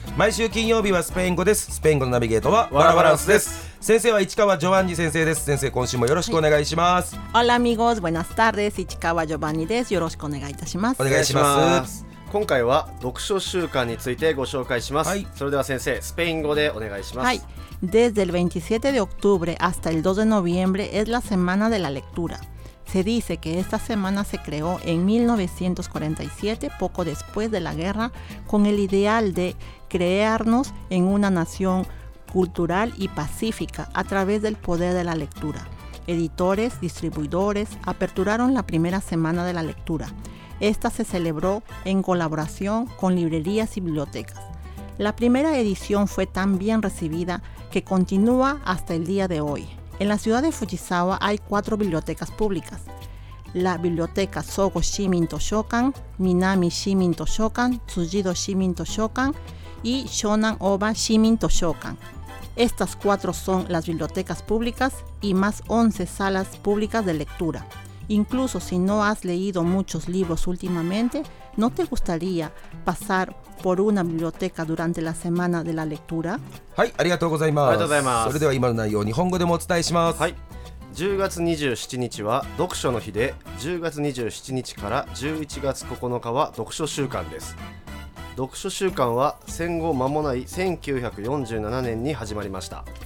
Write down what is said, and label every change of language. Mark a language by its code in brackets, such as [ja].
[ja] 毎週金曜日はスペイン語です。スペイン語のナビゲートはバラバランスです。先生は市川ジョバンニ先生です。先生今週もよろしくお願いします。 [es] オラミゴーズブエナスタルデス、 [ja] 市川ジョバンニです。よろしくお願いいたします。お願いします。今回は読書習慣についてご紹介します、はい、それでは先生スペイン語でお願いします、 [es] はい、Desde el 27 de octubre hasta el 2 de noviembre es la semana de la lectura. Se dice que esta semana se creó en 1947, poco después de la guerra, con el ideal de crearnos en una nación cultural y pacífica a través del poder de la lectura. Editores, distribuidores aperturaron la primera semana de la lectura. Esta se celebró en colaboración con librerías y bibliotecas. La primera edición fue tan bien recibida que continúa hasta el día de hoy. En la ciudad de Fujisawa hay 4 bibliotecas públicas. La biblioteca Sogo Shimin Toshokan, Minami Shimin Toshokan, Tsujido Shimin Toshokan y Shonan Oba Shimin Toshokan. Estas 4 son las bibliotecas públicas y más 11 salas públicas de lectura. Incluso si no has leído muchos libros últimamente, ¿no te gustaría pasar por una biblioteca durante la semana de la lectura? [ja] はい、ありがとうございます。ありがとうございます。それでは今の内容を日本語でもお伝えします。はい。 10月27日は読書の日で、10月27日から11月9日は読書週間です。読書週間は戦後間もない1947年に始まりました。